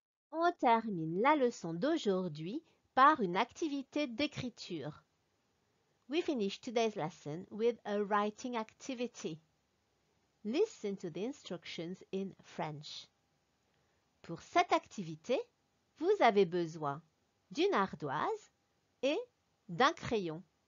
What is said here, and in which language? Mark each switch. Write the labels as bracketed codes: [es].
[fr] On termine la leçon d'aujourd'hui par une activité d'écriture. [en] We finish today's lesson with a writing activity. Listen to the instructions in French. [fr] Pour cette activité, vous avez besoin d'une ardoise et d'un crayon.